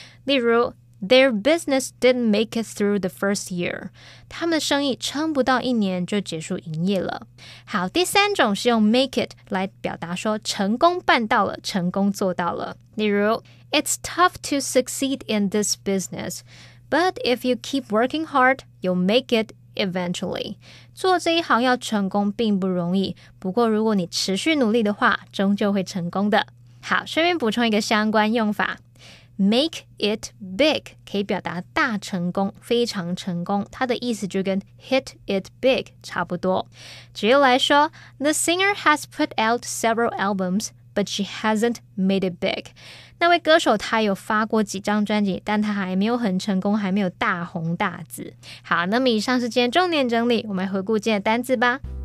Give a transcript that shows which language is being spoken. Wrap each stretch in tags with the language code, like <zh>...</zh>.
<en>例如 Their business didn't make it through the first year.</en> <zh>他们的生意撑不到一年就结束营业了。好，第三种是用 make it 来表达说成功办到了，成功做到了。</zh> <en>例如 It's tough to succeed in this business, but if you keep working hard, you'll make it eventually.</en> <zh>做这一行要成功并不容易，不过如果你持续努力的话，终究会成功的。好，顺便补充一个相关用法。</zh> <en>Make it big</en> <zh>可以表达大成功、非常成功，它的意思就跟</zh> <en>hit it big</en> <zh>差不多。举例来说</zh> <en>，The singer has put out several albums, but she hasn't made it big.</en> <zh>那位歌手他有发过几张专辑，但他还没有很成功，还没有大红大紫。好，那么以上是今天重点整理，我们来回顾今天的单字吧。</zh>